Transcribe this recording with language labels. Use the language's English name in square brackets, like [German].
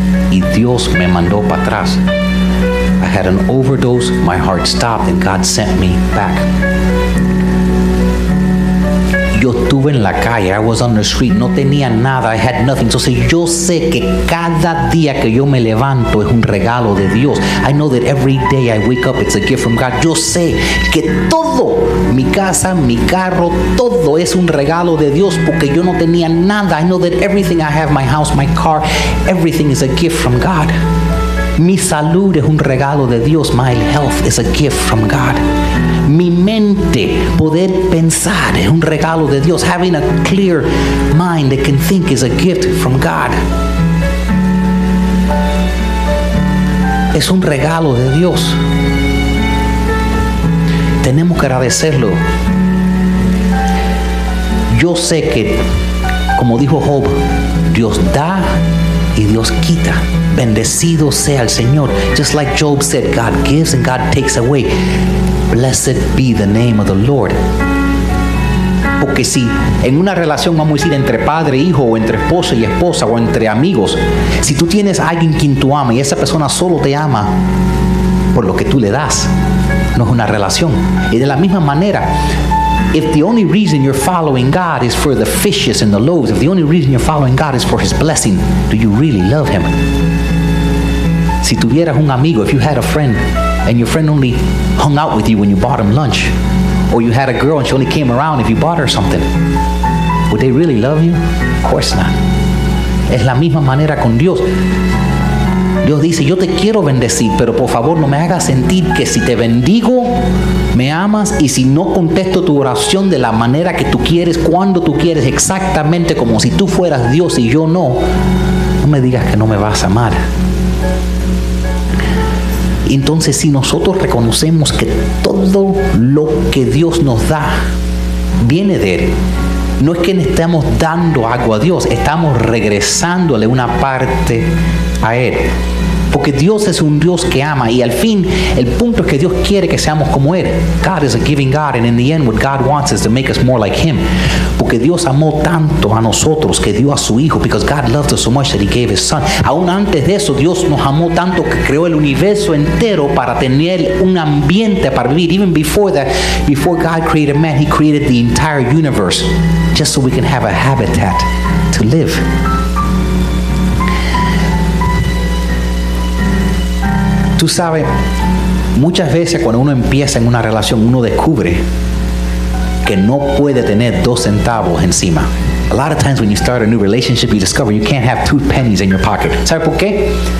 [Spanish] Y Dios me mandó para atrás. [English] I had an overdose, my heart stopped, and God sent me back. [Spanish] Yo estuve en la calle, [English] I was on the street, [Spanish] no tenía nada, [English] I had nothing. [Spanish] So yo sé que cada día que yo me levanto es un regalo de Dios. [English] I know that every day I wake up, it's a gift from God. [Spanish] Yo sé que todo, mi casa, mi carro, todo es un regalo de Dios porque yo no tenía nada. [English] I know that everything I have, my house, my car, everything is a gift from God. [Spanish] Mi salud es un regalo de Dios. [English] My health is a gift from God. [Spanish] Mi mente, poder pensar, es un regalo de Dios. [English] Having a clear mind that can think is a gift from God. [Spanish] Es un regalo de Dios. Tenemos que agradecerlo. Yo sé que, como dijo Job, Dios da y Dios quita. Bendecido sea el Señor. [English] Just like Job said, God gives and God takes away. Blessed be the name of the Lord. [Spanish] Porque si en una relación, vamos a decir, entre padre e hijo, o entre esposo y esposa, o entre amigos, si tú tienes a alguien quien tú ama y esa persona solo te ama por lo que tú le das, no es una relación. Y de la misma manera, [English] if the only reason you're following God is for the fishes and the loaves, if the only reason you're following God is for His blessing, do you really love Him? [Spanish] Si tuvieras un amigo, [English] if you had a friend, and your friend only hung out with you when you bought him lunch, or you had a girl and she only came around if you bought her something, would they really love you? Of course not. [Spanish] Es la misma manera con Dios. Dios dice, yo te quiero bendecir, pero por favor no me hagas sentir que si te bendigo, me amas, y si no contesto tu oración de la manera que tú quieres, cuando tú quieres, exactamente como si tú fueras Dios y yo no, no me digas que no me vas a amar. Entonces, si nosotros reconocemos que todo lo que Dios nos da viene de Él, no es que le estemos dando algo a Dios, estamos regresándole una parte a Él. Porque Dios es un Dios que ama, y al fin, el punto es que Dios quiere que seamos como Él. [English] God is a giving God, and in the end, what God wants is to make us more like Him. [Spanish] Porque Dios amó tanto a nosotros que dio a su Hijo, [English] because God loved us so much that He gave His Son. [Spanish] Aún antes de eso, Dios nos amó tanto que creó el universo entero para tener un ambiente para vivir. [English] Even before that, before God created man, He created the entire universe, just so we can have a habitat to live. [Spanish] Tú sabes, muchas veces cuando uno empieza en una relación, uno descubre que no puede tener dos centavos encima. [English] A lot of times when you start a new relationship, you discover you can't have two pennies in your pocket. [Spanish] ¿Sabes por qué?